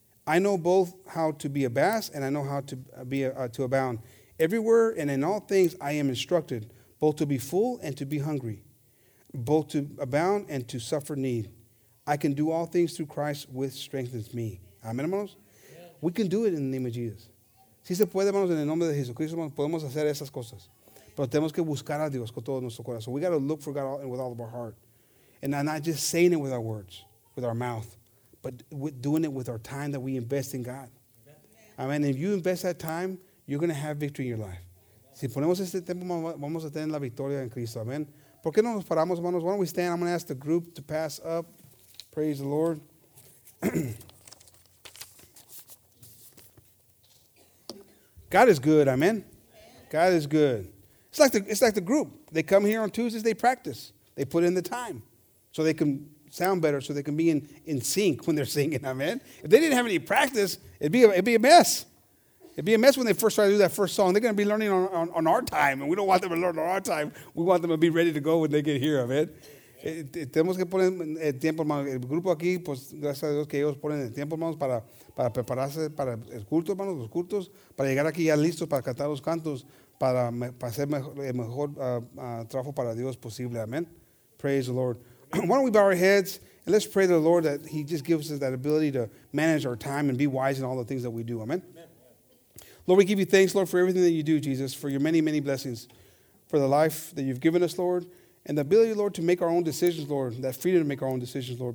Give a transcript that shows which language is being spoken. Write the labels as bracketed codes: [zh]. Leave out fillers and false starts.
[en] I know both how to be abased and I know how to be to abound. Everywhere and in all things I am instructed, both to be full and to be hungry, both to abound and to suffer need. I can do all things through Christ which strengthens me." [es] Amén, hermanos. [en] We can do it in the name of Jesus. [es] Si se puede, hermanos, en el nombre de Jesucristo, hermanos, podemos hacer esas cosas. Pero tenemos que buscar a Dios con todo nuestro corazón. [en] We got to look for God with all of our heart. And not just saying it with our words, with our mouth, but with doing it with our time that we invest in God. Amen. If you invest that time, you're going to have victory in your life. [es] Si ponemos este tiempo, vamos a tener la victoria en Cristo. [en] Amen. [es] ¿Por qué no nos paramos, hermanos? [en] Why don't we stand? I'm going to ask the group to pass up. Praise the Lord. God is good, amen. God is good. It's like the group. They come here on Tuesdays, they practice. They put in the time so they can sound better, so they can be in sync when they're singing, amen. If they didn't have any practice, it'd be a mess. It'd be a mess when they first try to do that first song. They're going to be learning on our time, and we don't want them to learn on our time. We want them to be ready to go when they get here, amen. [es] Tenemos que poner el tiempo, hermano. El grupo aquí, pues gracias a Dios que ellos ponen el tiempo, hermanos, para prepararse para el culto, hermanos, los cultos, para llegar aquí ya listos para cantar los cantos, para hacer el mejor trabajo para Dios posible. [en] Amen. Praise the Lord. Why don't we bow our heads and let's pray to the Lord that he just gives us that ability to manage our time and be wise in all the things that we do. Amen. Lord, we give you thanks, Lord, for everything that you do, Jesus, for your many, many blessings, for the life that you've given us, Lord. And the ability, Lord, to make our own decisions, Lord, that freedom to make our own decisions, Lord.